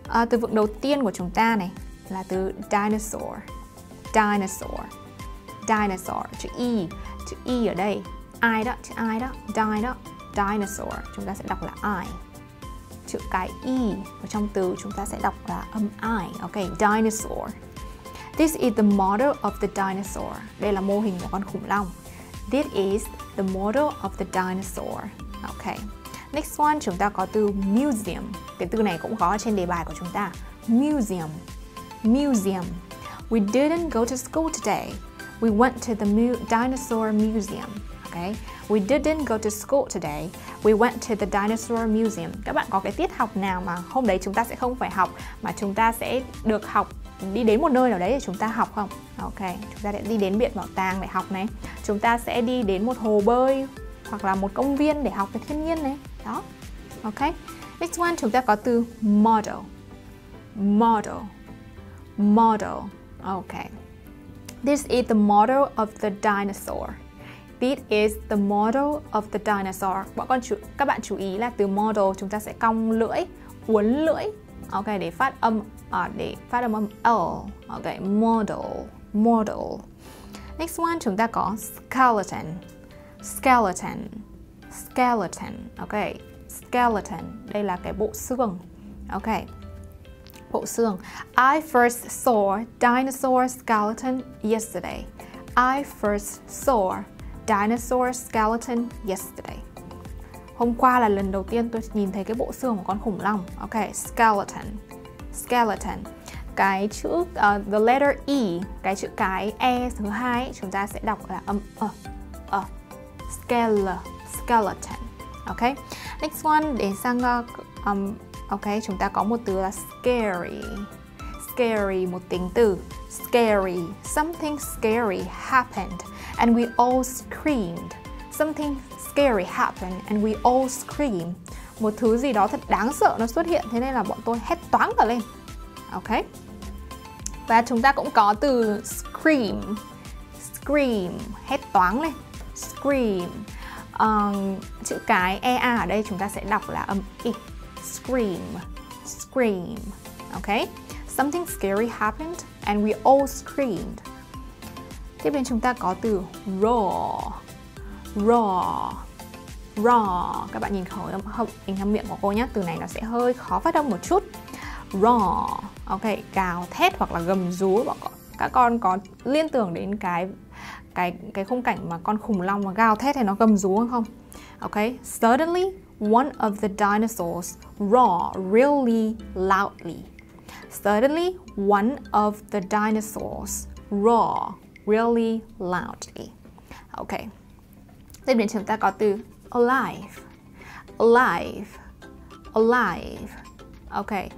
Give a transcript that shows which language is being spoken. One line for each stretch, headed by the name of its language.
Vietnamese: Từ vựng đầu tiên của chúng ta này là từ dinosaur. Dinosaur. Dinosaur. Chữ E. Chữ E ở đây. I đó. Chữ I đó. Di đó. Dinosaur. Chúng ta sẽ đọc là I. Chữ cái E ở trong từ chúng ta sẽ đọc là âm I.
English: Ok. Dinosaur. This is the model of the dinosaur.
Vietnamese: Đây là mô hình của con khủng long.
English: This is the model of the dinosaur. Okay. Next one,
Vietnamese: chúng ta có từ museum. Cái từ này cũng có trên đề bài của chúng ta.
English: Museum. Museum. We didn't go to school today. We went to the dinosaur museum. Okay. We didn't go to school today. We went to the dinosaur museum.
Vietnamese: Các bạn có cái tiết học nào mà hôm đấy chúng ta sẽ không phải học mà chúng ta sẽ được học đi đến một nơi nào đấy để chúng ta học không? Ok, chúng ta sẽ đi đến viện bảo tàng để học này. Chúng ta sẽ đi đến một hồ bơi hoặc là một công viên để học về thiên nhiên này. Đó, ok.
English: Next one,
Vietnamese: chúng ta có từ model.
English: Model. Model. Ok. This is the model of the dinosaur. This is the model of the dinosaur.
Vietnamese: Các bạn chú ý là từ model chúng ta sẽ cong lưỡi, uốn lưỡi. Ok, để phát âm L. Ok, model, model.
English: Next one, chúng ta có skeleton. Skeleton. Skeleton.
Vietnamese: Ok, skeleton. Đây là cái bộ xương. Ok, bộ xương.
English: I first saw dinosaur skeleton yesterday. I first saw dinosaur skeleton yesterday.
Vietnamese: Hôm qua là lần đầu tiên tôi nhìn thấy cái bộ xương của con khủng long. Ok, skeleton. Skeleton. Cái chữ,
English: the letter E,
Vietnamese: cái chữ cái E thứ hai chúng ta sẽ đọc là âm ơ. Skeleton.
English: Ok, next one,
Vietnamese: đến sang ok, chúng ta có một từ là scary. Scary, một tính từ. Scary.
English: Something scary happened and we all screamed. Something scary happened and we all scream.
Vietnamese: Một thứ gì đó thật đáng sợ nó xuất hiện, thế nên là bọn tôi hét toáng cả lên. Ok. Và chúng ta cũng có từ scream. Scream, hét toáng lên. Scream. Chữ cái e a ở đây chúng ta sẽ đọc là âm i.
English: Scream. Scream. Ok. Something scary happened and we all screamed.
Vietnamese: Tiếp đến chúng ta có từ roar. Raw. Raw. Các bạn nhìn khẩu âm miệng của cô nhé. Từ này nó sẽ hơi khó phát âm một chút. Raw. Ok, gào thét hoặc là gầm rú. Các con có liên tưởng đến cái khung cảnh mà con khủng long mà gào thét hay nó gầm rú không?
English: Ok, suddenly one of the dinosaurs roared really loudly. Suddenly one of the dinosaurs roared really loudly. Ok.
Vietnamese: Tiếp đến chúng ta có từ alive. Alive. Alive. Ok.